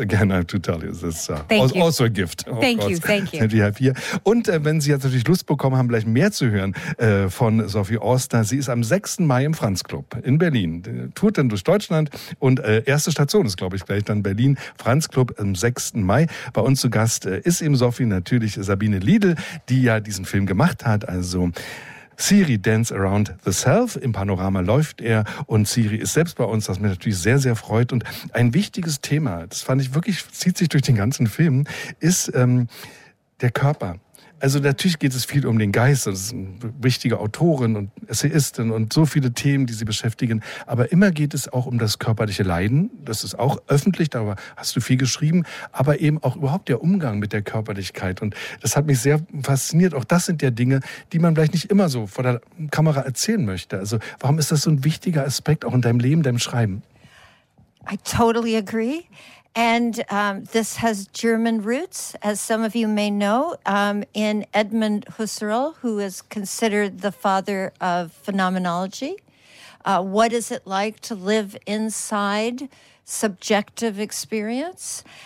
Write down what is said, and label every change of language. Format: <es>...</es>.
<en>Again, I have to tell you, this is also a gift. Thank you.</en> <de>Und wenn Sie jetzt natürlich Lust bekommen haben, gleich mehr zu hören von Sophie Auster, sie ist am 6. Mai im Franz Club in Berlin. Tourt dann durch Deutschland und erste Station ist, glaube ich, gleich dann Berlin. Franz Club am 6. Mai. Bei uns zu Gast ist eben Sophie natürlich Sabine Liedl, die ja diesen Film gemacht hat, also Siri, Dance Around the Self. Im Panorama läuft er und Siri ist selbst bei uns, was mich natürlich sehr, sehr freut. Und ein wichtiges Thema, das fand ich wirklich, zieht sich durch den ganzen Film, ist der Körper. Also natürlich geht es viel um den Geist, das ist eine wichtige Autorin und Essayistin und so viele Themen, die sie beschäftigen. Aber immer geht es auch um das körperliche Leiden, das ist auch öffentlich, darüber hast du viel geschrieben, aber eben auch überhaupt der Umgang mit der Körperlichkeit. Und das hat mich sehr fasziniert, auch das sind ja Dinge, die man vielleicht nicht immer so vor der Kamera erzählen möchte. Also warum ist das so ein wichtiger Aspekt auch in deinem Leben, deinem Schreiben?</de> <en>I totally agree. And this has German roots, as some of you may know, in Edmund Husserl, who is considered the father of phenomenology. What is it like to live inside subjective experience?</en>